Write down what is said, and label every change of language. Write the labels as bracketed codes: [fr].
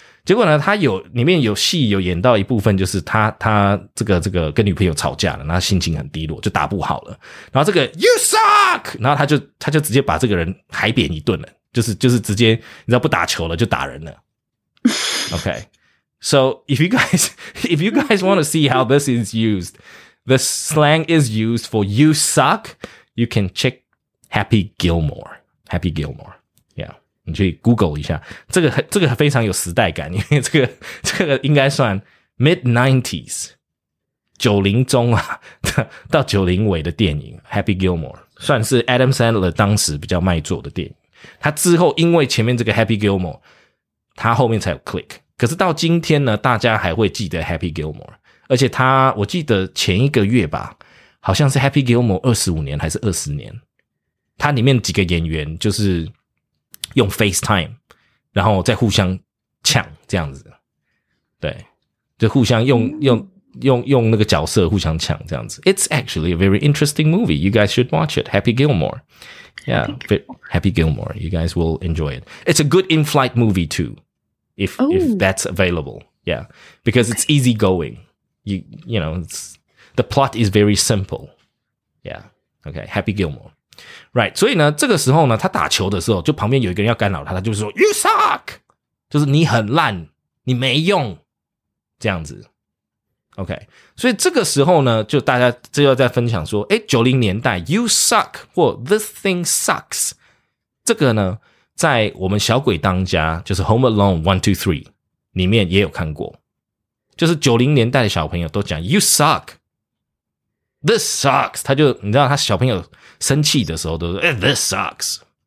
[zh] 结果呢，他有里面有戏有演到一部分，就是他这个跟女朋友吵架了，然后心情很低落，就打不好了。然后这个 [en] You suck! [zh] 然后他就直接把这个人海扁一顿了，就是直接你知道不打球了，就打人了。 [en] Okay. So if you guys want to see how this is used, the slang is used for You suck, you can check Happy Gilmore. [zh] Happy Gilmore. Yeah. 你去 Google 一下，这个非常有时代感，因为这个应该算 mid-90s, 90中啊到90尾的电影 Happy Gilmore, 算是 Adam Sandler 当时比较卖座的电影。他之后因为前面这个 Happy Gilmore, 他后面才有 click, 可是到今天呢大家还会记得 Happy Gilmore, 而且他我记得前一个月吧好像是 Happy Gilmore 25年还是20年。他里面几个演员就是用 FaceTime, 然后再互相呛这样子。对。就互相用那个角色互相呛这样子。 [en] It's actually a very interesting movie. You guys should watch it. Happy Gilmore. Yeah. Happy Gilmore. You guys will enjoy it. It's a good in-flight movie too. If that's available. Yeah. Because it's easygoing. You know, the plot is very simple. Yeah. Okay. Happy Gilmore. [zh] Right, 所以呢这个时候呢他打球的时候就旁边有一个人要干扰他，他就说 [en] You suck! [zh] 就是你很烂，你没用，这样子。 OK, 所以这个时候呢就大家就要在分享说，诶 ,90 年代 [en] You suck [zh] 或 [en] This thing sucks, [zh] 这个呢在我们小鬼当家就是 Home Alone 1,2,3 里面也有看过，就是90年代的小朋友都讲 [en] You suck, This sucks, [zh] 他就你知道他小朋友生气的时候都说、 [en] This sucks,